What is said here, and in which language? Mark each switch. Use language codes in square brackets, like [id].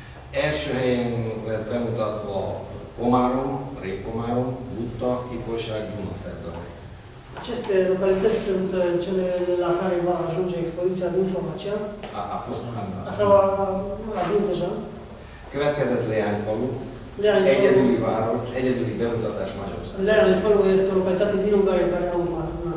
[hu] Első helyen lett bemutatva Komárom, Rév Komárom, Butta, Ipolyság, Dunaszerda. [ro] Aceste localități sunt cele la care va ajunge expoziția din Slovacia. A fost în Anna. Sau a ajuns deja. [hu] Következett Leányfalu. Egyedüli város, egyedüli bemutatás Magyarországon. [ro] Leányfalu este o localitate din Ungaria care a urmat.